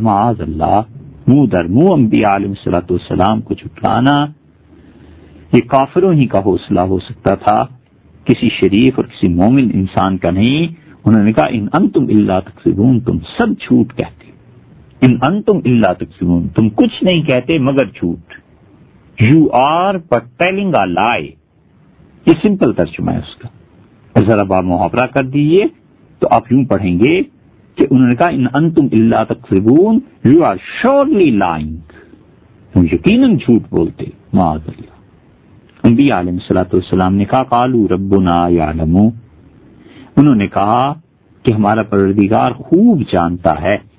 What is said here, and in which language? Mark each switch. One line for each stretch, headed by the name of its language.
Urdu: معاذ اللہ منہ در منہ انبیاء علیہ الصلوۃ والسلام کو جھٹلانا, یہ کافروں ہی کا حوصلہ ہو سکتا تھا, کسی شریف اور کسی مومن انسان کا نہیں. انہوں نے کہا
Arabic: ان انتم الا تکذبون,
Urdu: تم سب جھوٹ کہتے ہو.
Arabic: ان انتم الا تکذبون,
Urdu: تم کچھ نہیں کہتے مگر جھوٹ.
English: You are but telling a lie.
Urdu: یہ سمپل ترجمہ ہے اس کا. اور ذرا با محاورہ کر دیجیے تو آپ یوں پڑھیں گے کہ انہوں نے کہا
Arabic: ان انتم الا تکذبون,
English: you are surely lying,
Urdu: تم یقیناً جھوٹ بولتے. معاذ اللہ. انبیاء علیہ الصلوۃ والسلام نے کہا
Arabic: قالوا ربنا یعلم,
Urdu: انہوں نے کہا کہ ہمارا پروردگار خوب جانتا ہے.